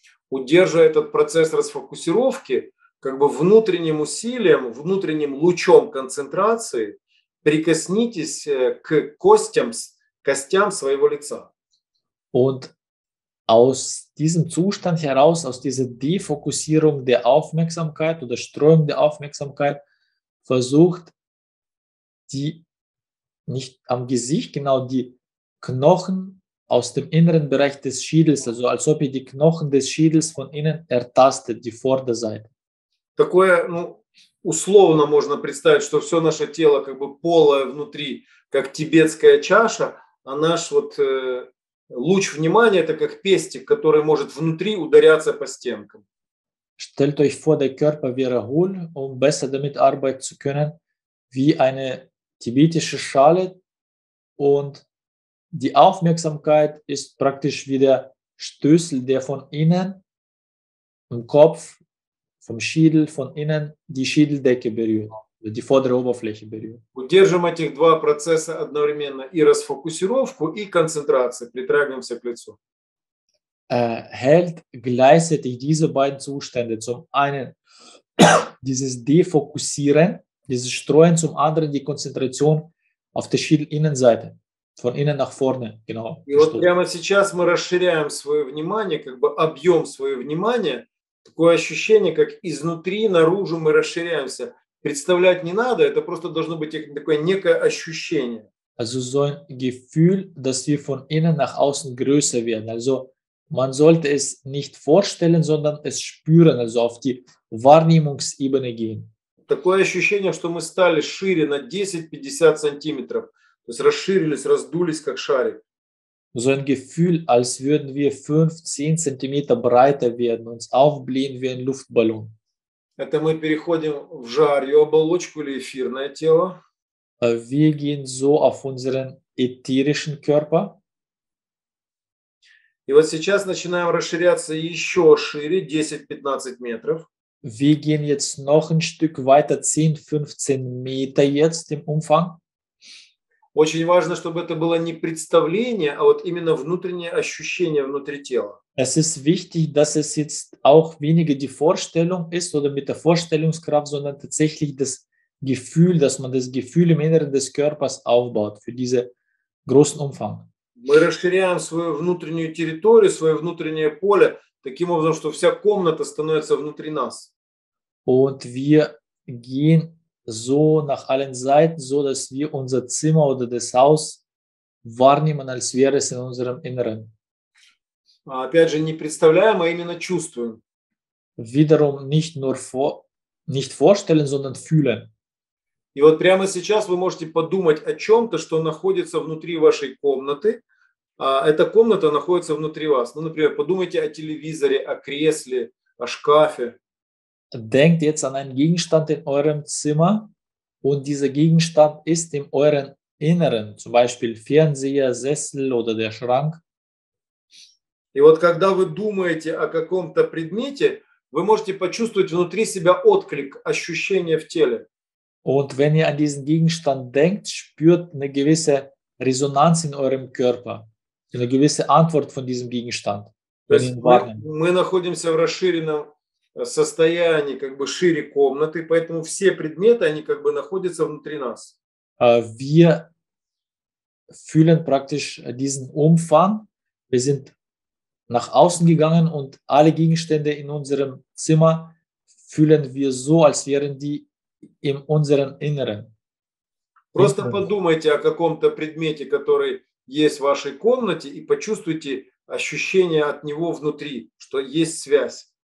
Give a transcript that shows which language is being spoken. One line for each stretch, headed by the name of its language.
Russian: Удерживая этот процесс расфокусировки, как бы внутренним усилием, внутренним лучом концентрации, прикоснитесь к костям, костям своего лица.
German: Und aus diesem Zustand heraus, aus dieser Defokussierung der Aufmerksamkeit oder Streuung der Aufmerksamkeit, versucht die, nicht am Gesicht, genau, die Knochen aus dem inneren Bereich des Schädels, also als ob ihr die Knochen des Schädels von innen ertastet, die Vorderseite.
Russian: Такое, ну, условно можно представить, что все наше тело как бы полое внутри, как тибетская чаша, а наш вот луч внимания – это как пестик, который может внутри ударяться по стенкам.
German: Stellt euch vor, der Körper wäre hohl, um besser damit arbeiten zu können, wie eine tibetische Schale, und die Aufmerksamkeit ist praktisch wie der Stößel, der von innen im Kopf, vom Schädel, von innen die Schädeldecke berührt. Die vordere Oberfläche berührt.
Russian: Удержим этих два процесса одновременно, и расфокусировку, и концентрацию, притрагиваемся к лицу.
German: Hält gleichzeitig diese beiden Zustände, zum einen dieses Defokussieren, dieses Streuen, zum anderen die Konzentration auf der Schädelinnenseite, von innen nach vorne, genau.
Russian: И вот прямо сейчас мы расширяем свое внимание, как бы объем свое внимание, такое ощущение, как изнутри наружу мы расширяемся. Представлять не надо, это просто должно быть такое некое ощущение.
German: Also so ein Gefühl, dass wir von innen nach außen größer werden. Also man sollte es nicht vorstellen, sondern es spüren, also auf die Wahrnehmungsebene gehen.
Russian: Такое ощущение, что мы стали шире на 10-50 сантиметров. То есть расширились, раздулись, как шарик.
German: So ein Gefühl, als würden wir 5-10 Zentimeter breiter werden, uns aufblähen wie ein Luftballon.
Russian: Это мы переходим в жарью оболочку или эфирное тело.
German: Wir gehen so auf unseren ätherischen Körper.
Russian: И вот сейчас начинаем расширяться еще шире, 10-15 метров.
German: Wir gehen jetzt noch ein Stück weiter, 10-15 Meter jetzt im Umfang.
Russian: Очень важно, чтобы это было не представление, а вот именно внутреннее ощущение внутри тела.
German: Es ist wichtig, dass es jetzt auch weniger die Vorstellung ist oder mit der Vorstellungskraft, sondern tatsächlich das Gefühl, dass man das Gefühl im Inneren des Körpers aufbaut für diesen großen Umfang.
Russian: Мы расширяем свою внутреннюю территорию, свое внутреннее поле таким образом, что вся комната становится внутри нас.
German: Und wir gehen so nach allen Seiten, so dass wir unser Zimmer oder das Haus wahrnehmen, als wäre es in unserem Inneren.
Russian: Опять же, не представляем, а именно чувствуем.
German: Wiederum nicht nur nicht vorstellen, sondern fühlen.
Russian: И вот прямо сейчас вы можете подумать о чем-то, что находится внутри вашей комнаты, Эта комната находится внутри вас. Ну, например, подумайте о телевизоре, о кресле, о шкафе.
German: Denkt jetzt an einen Gegenstand in eurem Zimmer und dieser Gegenstand ist in eurem Inneren, zum Beispiel Fernseher, Sessel oder der Schrank.
Russian: И вот когда вы думаете о каком-то предмете, вы можете почувствовать внутри себя отклик, ощущение в теле.
German: Und wenn ihr an diesen Gegenstand denkt, spürt eine gewisse Resonanz in eurem Körper, eine gewisse Antwort von diesem Gegenstand.
Russian: Мы находимся в расширенном состоянии, как бы шире комнаты, поэтому все предметы, они как бы находятся внутри нас.
German: Wir fühlen praktisch diesen Umfang. Wir sind nach außen gegangen und alle Gegenstände in unserem Zimmer fühlen wir so, als wären die in unserem Inneren.
Russian: Просто подумайте о каком-то предмете, который есть в вашей комнате и почувствуйте ощущение от него внутри, что есть связь.